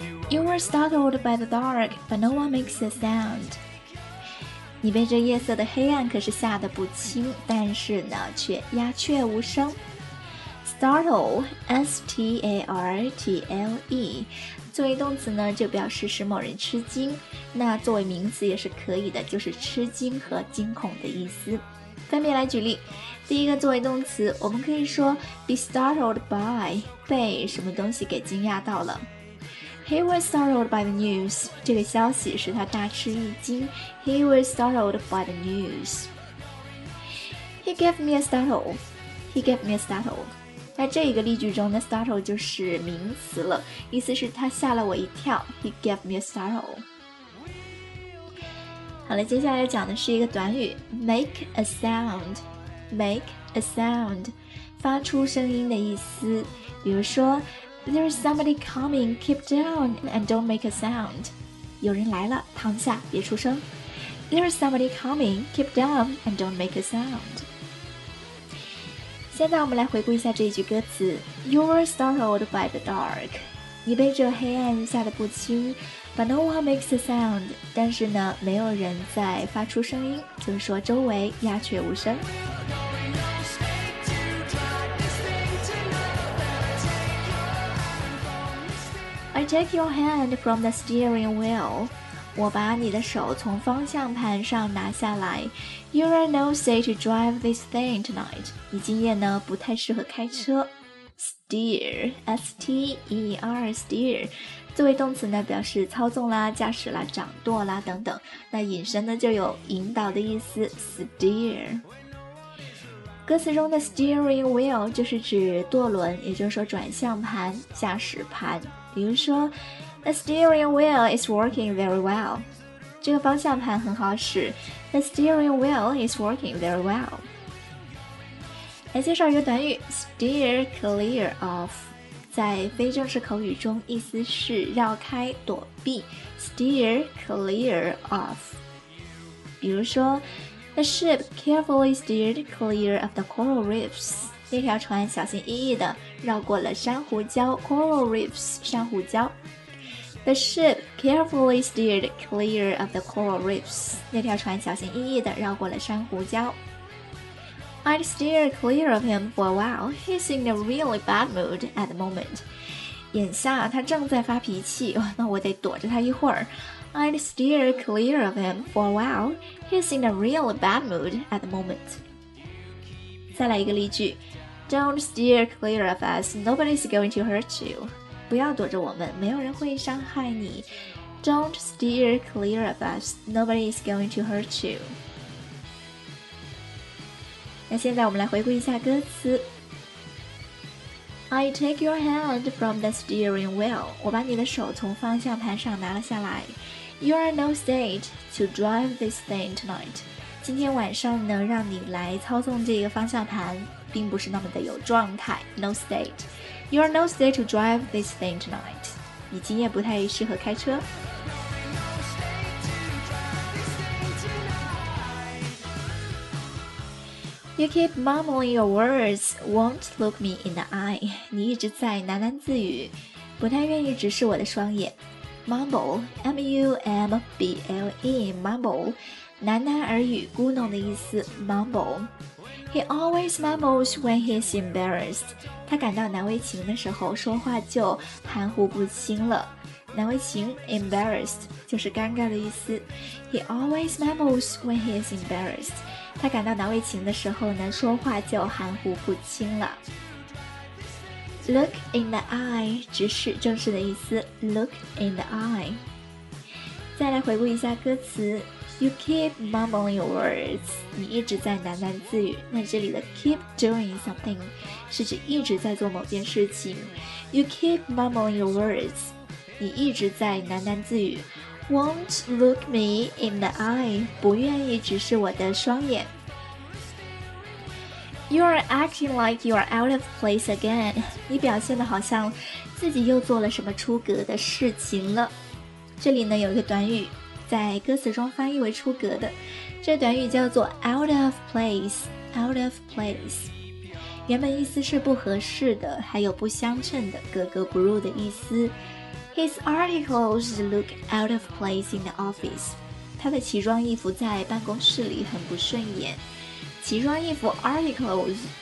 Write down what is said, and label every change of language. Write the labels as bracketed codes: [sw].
[en] You were startled by the dark, but no one makes a sound. [zh] 你被这夜色的黑暗可是吓得不轻，但是呢却鸦雀无声。 Startle, S-T-A-R-T-L-E, 作为动词呢，就表示使某人吃惊，那作为名词也是可以的，就是吃惊和惊恐的意思。分别来举例，第一个作为动词，我们可以说 be startled by, 被什么东西给惊讶到了。 [en] He was startled by the news, [zh] 这个消息使他大吃一惊。 [en] He was startled by the news. He gave me a startle. [zh] 在这一个例句中的 startle 就是名词了，意思是他吓了我一跳。 [en] He gave me a startle。 [zh] 好了，接下来讲的是一个短语 make a sound， make a sound， 发出声音的意思。比如说 [en] There is somebody coming, keep down and don't make a sound， [zh] 有人来了躺下别出声。 [en] There is somebody coming, keep down and don't make a sound。 [zh] 现在我们来回顾一下这一句歌词。 [en] You were startled by the dark， [zh] 你被这黑暗吓得不轻。 [en] But no one makes a sound， [zh] 但是呢没有人在发出声音，就是说周围鸦雀无声。 [en] I take your hand from the steering wheel， [zh] 我把你的手从方向盘上拿下来。 [en] You're in no state to drive this thing tonight. [zh] 你今夜呢不太适合开车。 [en] Steer, S-T-E-R, steer. [zh] 作为动词呢表示操纵啦、驾驶啦、掌舵啦等等。那引申呢就有引导的意思， steer. 歌词中的 steering wheel 就是指舵轮，也就是说转向盘、驾驶盘。比如说 [en] The steering wheel is working very well. [zh] 这个方向盘很好使 [en] The steering wheel is working very well [zh] 来介绍一个短语 Steer clear of 在非正式口语中意思是绕开躲避 Steer clear of 比如说 [en] The ship carefully steered clear of the coral reefs [zh] 那条船小心翼翼地绕过了珊瑚礁 [en] Coral reefs [zh] 珊瑚礁 [en] The ship carefully steered clear of the coral reefs. [zh] 那条船小心翼翼地绕过了珊瑚礁。 [en] I'd steer clear of him for a while. He's in a really bad mood at the moment. [zh] 眼下他正在发脾气，那我得躲着他一会儿。 [en] I'd steer clear of him for a while. He's in a really bad mood at the moment. [zh] 再来一个例句。 [en] Don't steer clear of us. Nobody's going to hurt you. [zh] 不要躲着我们，没有人会伤害你。 [en] Don't steer clear of us. Nobody is going to hurt you. [zh] 那现在我们来回顾一下歌词。 [en] I take your hand from the steering wheel. [zh] 我把你的手从方向盘上拿了下来。 [en] You are in no state to drive this thing tonight. [zh] 今天晚上呢，让你来操纵这个方向盘，并不是那么的有状态。 [en] No state. You are no state to drive this thing tonight. [zh] 你今夜不太适合开车。 [en] You keep mumbling your words, won't look me in the eye. [zh] 你一直在喃喃自语，不太愿意直视我的双眼。 Mumble, M-U-M-B-L-E, mumble, 喃喃而语，咕哝的意思。 [en] Mumble. He always mumbles when he's embarrassed. [zh] 他感到难为情的时候说话就含糊不清了。难为情 embarrassed, 就是尴尬的意思。 [en] He always mumbles when he's embarrassed. [zh] 他感到难为情的时候呢说话就含糊不清了。 Look in the eye, 直视正视的意思。 [en] Look in the eye. [zh] 再来回顾一下歌词。 [en] You keep mumbling your words. [zh] 你一直在喃喃自语。那这里的 keep doing something 是指一直在做某件事情。 [en] You keep mumbling your words. [zh] 你一直在喃喃自语。 [en] Won't look me in the eye. [zh] 不愿意直视我的双眼。 [en] You are acting like you are out of place again. [zh] 你表现得好像自己又做了什么出格的事情了。这里呢有一个短语。在歌词中翻译为出格的这短语叫做 out of place out of place 原本意思是不合适的还有不相称的格格不入的意思 [en] His articles look out of place in the office [zh] 他的奇装异服在办公室里很不顺眼奇装异服 articles